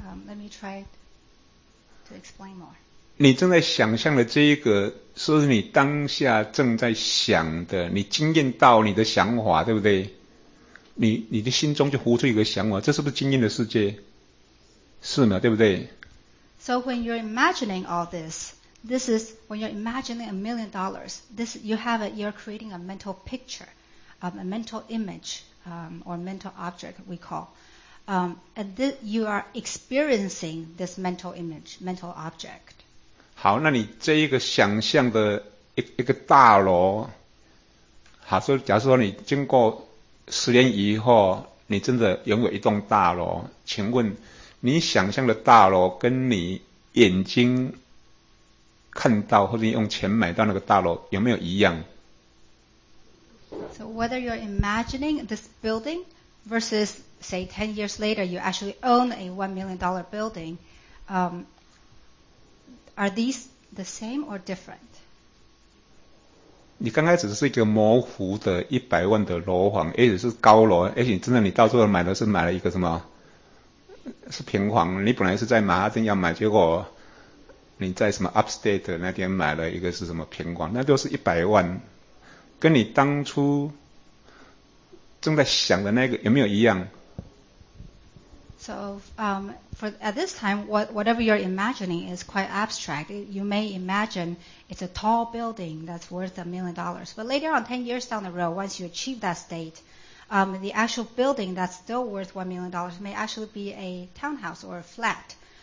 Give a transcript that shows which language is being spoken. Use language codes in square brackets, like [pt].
[en] Let me try to explain more. [zh] 你正在想象的这一个，是不是你当下正在想的？你经验到你的想法，对不对？你的心中就浮出一个想法，这是不是经验的世界？是吗？对不对 [en] ？So when you're imagining all this. This is when you're imagining $1 million. This you have it. You're creating a mental picture, a mental image, or mental object we call. And you are experiencing this mental image, mental object. [zh] 好，那你这一个想象的一个大楼，好说，假设说你经过10年以后，你真的拥有一栋大楼，请问你想象的大楼跟你眼睛。看到或者用钱买到那个大楼有没有一样 [en] ？So whether you're imagining this building versus say 10 years later you actually own a $1 million building, are these the same or different？ [zh] 你刚开始是一个模糊的100万的楼房，也许是高楼，也许真的你到最后买了一个什么？是平房，你本来是在马哈顿要买，结果。你在什么 Upstate 那天买了一个是什么平广，那都是100万，跟你当初正在想的那个有没有一样 [en] ？So, for at this time, whatever you're imagining is quite abstract. You may imagine it's a tall building that's worth $1 million, but later on, 10 years down the road, once you achieve that state, the actual building that's still worth $1 million may actually be a townhouse or a flat.